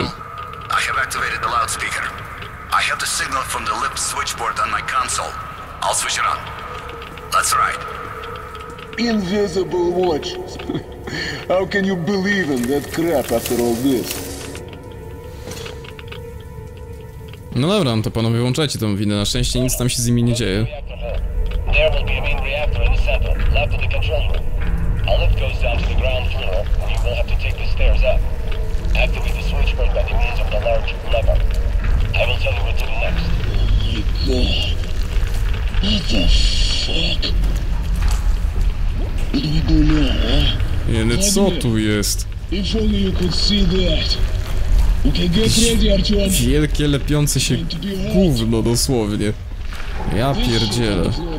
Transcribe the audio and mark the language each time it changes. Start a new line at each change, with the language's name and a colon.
English: I have activated the loudspeaker. I have the signal from the lip switchboard on my console. I'll switch it on. Let's ride. Invisible watch. How can you believe in that crap after all this?
Polish: No dobra, no to panowie włączajcie tą windę. Na szczęście nic tam się z nimi nie dzieje.
English: There will be a main reactor in the center, left of the control room. A lift goes down to the ground floor, and you will have to take the stairs up. Activate the switchboard by the means of the large lever. I will tell you what to do next. Oh my god. What the fuck? What do we do now, huh? Yeah, that's so
Polish: tu jest.
English: If only you could see that. Okay, get ready, Artyom.
Polish: Wielkie lepiące się gówno dosłownie. Ja pierdzielę.